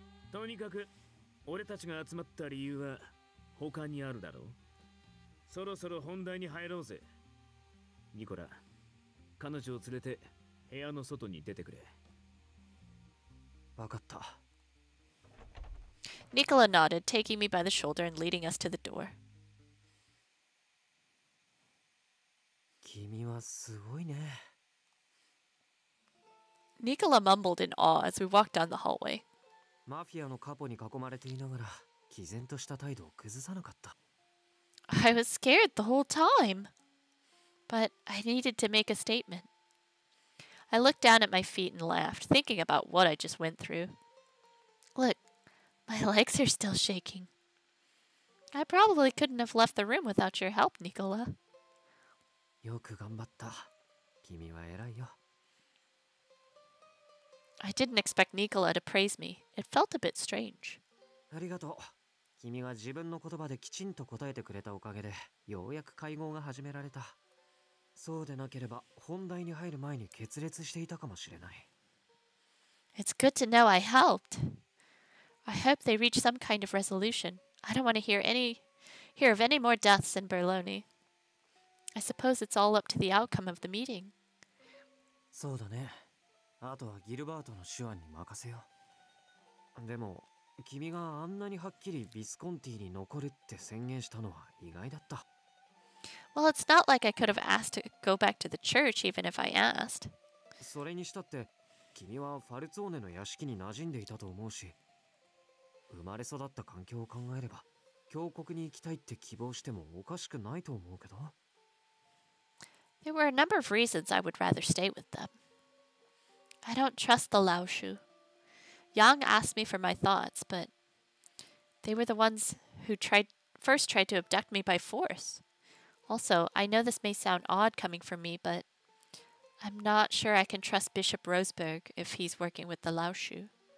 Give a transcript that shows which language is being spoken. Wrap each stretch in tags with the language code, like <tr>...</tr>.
<ja>とにかく、俺たちが集まった理由は他にあるだろう。そろそろ本題に入ろうぜ。ニコラ、彼女を連れて部屋の外に出てくれ。わかった。</ja> <en>Nicola nodded, taking me by the shoulder and leading us to the door.</en> <ja>君はすごいね。</ja> <en>Nicola mumbled in awe as we walked down the hallway.</en> <ja>マフィアのカポに囲まれていながら、毅然とした態度を崩さなかった。</ja> <en>I was scared the whole time. But I needed to make a statement. I looked down at my feet and laughed, thinking about what I just went through. Look, my legs are still shaking. I probably couldn't have left the room without your help, Nicola.</en> <ja>よく頑張った。君は偉いよ。</ja> <en>I didn't expect Nicola to praise me. It felt a bit strange.</en> <ja>ありがとう。君が自分の言葉できちんと答えてくれたおかげで、ようやく会合が始められた。そうでなければ、本題に入る前に決裂していたかもしれない。</ja> <en>It's good to know I helped. I hope they reach some kind of resolution. I don't want to hear of any more deaths in Berlone. I suppose it's all up to the outcome of the meeting.</en> <ja>そうだね。あとはギルバートの手腕に任せよ。でも、君があんなにはっきりビスコンティに残るって宣言したのは意外だった。</ja> <en>Well, it's not like I could have asked to go back to the church even if I asked.</en> <ja>それにしたって、君はファルツォーネの屋敷に馴染んでいたと思うし、生まれ育った環境を考えれば、教国に行きたいって希望してもおかしくないと思うけど。</ja> <en>There were a number of reasons I would rather stay with them. I don't trust the Lao Shu. Yang asked me for my thoughts, but they were the ones who first tried to abduct me by force. Also, I know this may sound odd coming from me, but I'm not sure I can trust Bishop Roseberg if he's working with the Lao Shu.</en>